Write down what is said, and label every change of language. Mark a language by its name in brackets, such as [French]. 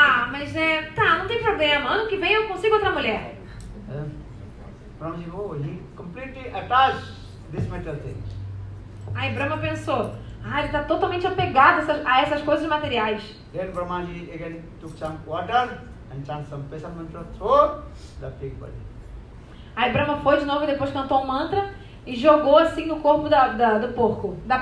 [Portuguese] Mas tá, não tem problema, ano que vem eu consigo outra mulher. Brahma disse, [English] oh, he completely attached this material thing. [Portuguese] Aí Brahma pensou, ele tá totalmente apegado a essas coisas materiais. [English] Then Brahma again took some water and chanted some special mantra to the pig body. [Portuguese] Aí Brahma foi de novo e depois cantou um mantra e jogou assim no corpo do porco.